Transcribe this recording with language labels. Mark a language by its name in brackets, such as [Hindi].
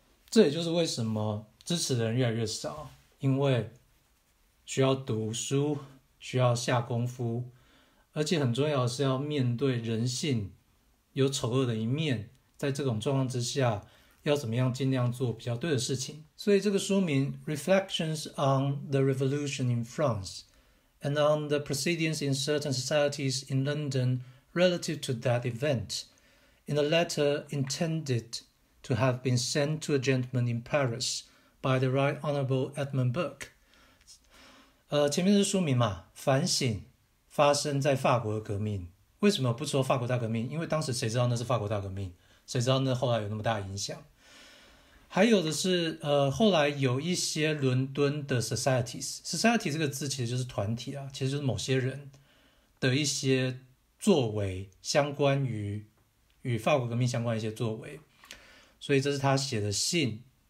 [Chinese] 这也就是为什么支持的人越来越少，因为需要读书，需要下功夫，而且很重要的是要面对人性有丑恶的一面。在这种状况之下，要怎么样尽量做比较对的事情？ [English] 所以这个书名《Reflections on the Revolution in France and on the Proceedings in Certain Societies in London》Relative to that event, in a letter intended to have been sent to a gentleman in Paris by the Right Honourable Edmund Burke. [Chinese] 前面是书名嘛，反省发生在法国的革命。为什么不说法国大革命？因为当时谁知道那是法国大革命？谁知道那后来有那么大影响？还有的是，后来有一些伦敦的 societies 这个字其实就是团体啊，其实就是某些人的一些作为，相关于与法国革命相关的一些作为，所以这是他写的信。